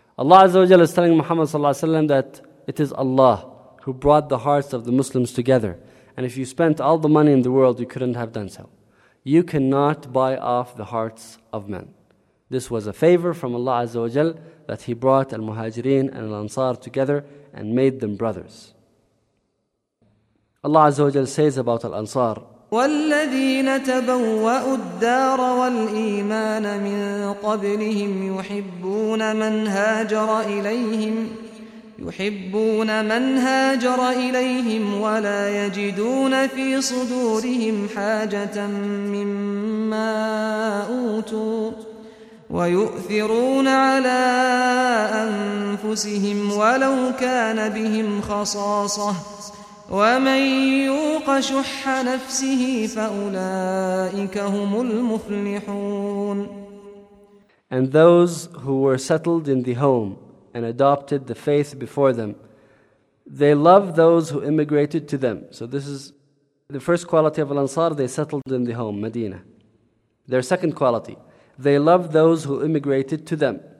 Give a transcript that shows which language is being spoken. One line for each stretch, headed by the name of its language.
English: Allah Azza wa Jalla is telling Muhammad Sallallahu Alaihi Wasallam that it is Allah who brought the hearts of the Muslims together. And if you spent all the money in the world, you couldn't have done so. You cannot buy off the hearts of men. This was a favor from Allah Azza wa Jalla that He brought al-Muhajirin and al-Ansar together and made them brothers. Allah Azza wa Jalla says about al-Ansar,
Arabic: والذين تبوأوا الدار والإيمان من قبلهم يحبون من هاجر إليهم يحبون من هاجر إليهم ولا يجدون في صدورهم حاجة مما أوتوا ويؤثرون على أنفسهم ولو كان بهم خصاصة ومن يوق شح نفسه فأولئك هم المفلحون.
English: And those who were settled in the home and adopted the faith before them, they love those who immigrated to them. So this is the first quality of Al-Ansar, they settled in the home, Medina. Their second quality, they love those who immigrated to them.